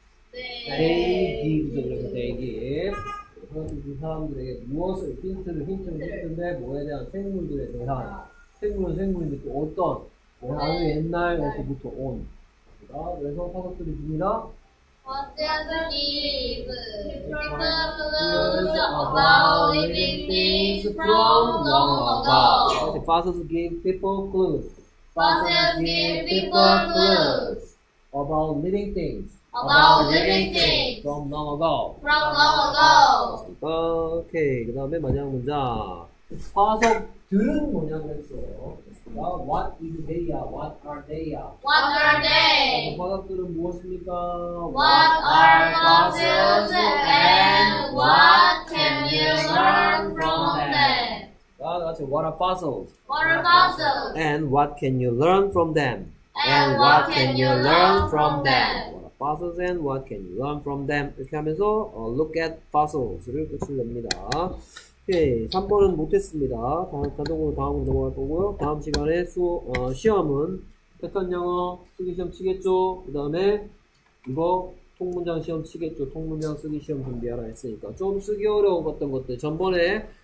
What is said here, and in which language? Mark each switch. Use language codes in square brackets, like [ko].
[en] 데이 기브죠. [ko] 그래서 [en] 데이 기브. [ko] 화석들이 사람들에게 무엇을 힌트를 줬는데 뭐에 대한 생물들에 대한 생물은 생물인데 또 어떤 아주 옛날에서부터 온. 그래서 화석들이 줍니다. [en] What does it give? People to lose about living things from long ago. What does fossils give people clues? Fossils give people clues. About living things. About living things. From long ago. From long ago. [ko] Okay, 그 다음에 마지막 문장. 화석들은 뭐냐고 했어요. [en] What is they? What are they? What are they? [ko] 화석들은 무엇입니까? [en] What are fossils and what can you learn from them? 다같이 What are fossils? What are fossils? And what can you learn from them? And what can you learn from them? What are fossils and what can you learn from them? [ko] 이렇게 하면서 look at fossils를 끝을 냅니다. 오케이, 3번은 못했습니다. 자동으로 다음으로 넘어갈 거고요. 다음 시간에 시험은 패턴 영어 쓰기 시험 치겠죠. 그 다음에 이거 통문장 시험 치겠죠. 통문장 쓰기 시험 준비하라 했으니까 좀 쓰기 어려웠던 것들 전번에